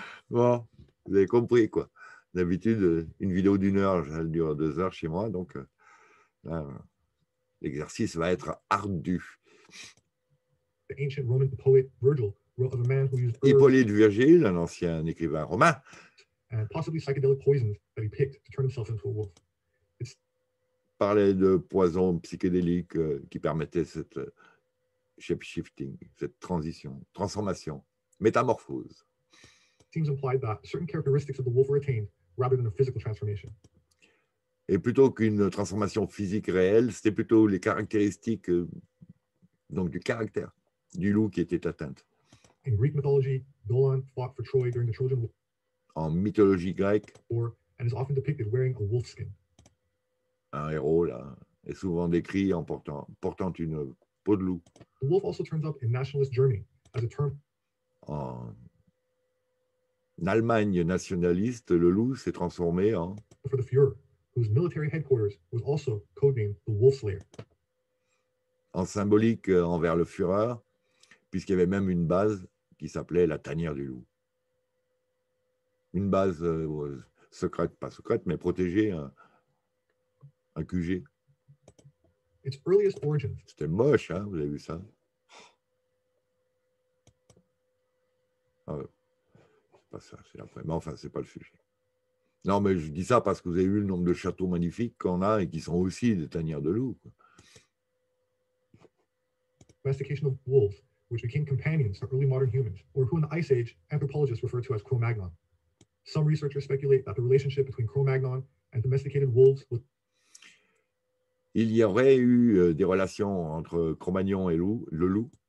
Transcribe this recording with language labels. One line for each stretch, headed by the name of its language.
French: Bon, vous avez compris, quoi. D'habitude, une vidéo d'une heure, elle dure deux heures chez moi, donc l'exercice va être ardu.
English: The ancient Roman poet Virgil wrote of a man who used herbs.
French: Hippolyte Virgile, un ancien écrivain romain.
English: And possibly psychedelic poisons that he picked to turn himself into a wolf.
French: Parlait de poisons psychédéliques qui permettaient cette shape-shifting, cette transition, transformation, métamorphose.
English: Seems implied that certain characteristics of the wolf were attained rather than a physical transformation.
French: Et plutôt qu'une transformation physique réelle, c'était plutôt les caractéristiques donc du caractère du loup qui étaient atteintes.
English: In Greek mythology, Dolon fought for Troy during the Trojan War.
French: En mythologie grecque,
English: and is often depicted wearing a wolf skin.
French: Un héros, là, est souvent décrit en portant une peau de loup.
English: The wolf also turns up in nationalist Germany as a term.
French: En Allemagne nationaliste, le loup s'est transformé en...
English: For the Führer, whose military headquarters was also codenamed the Wolf Slayer.
French: En symbolique envers le Führer, puisqu'il y avait même une base qui s'appelait la tanière du loup. Une base secrète, pas secrète, mais protégée... Un QG.
English: Its earliest origin.
French: C'était moche, hein, vous avez vu ça? pas ça, c'est après. Mais enfin, c'est pas le sujet. Non, mais je dis ça parce que vous avez vu le nombre de châteaux magnifiques qu'on a et qui sont aussi des tanières de loup.
English: Domestication of wolves, which became companions to early modern humans, or who in the Ice Age anthropologists refer to as Cro-Magnon. Some researchers speculate that the relationship between Cro-Magnon and domesticated wolves was...
French: Il y aurait eu des relations entre Cro-Magnon et loup, le loup.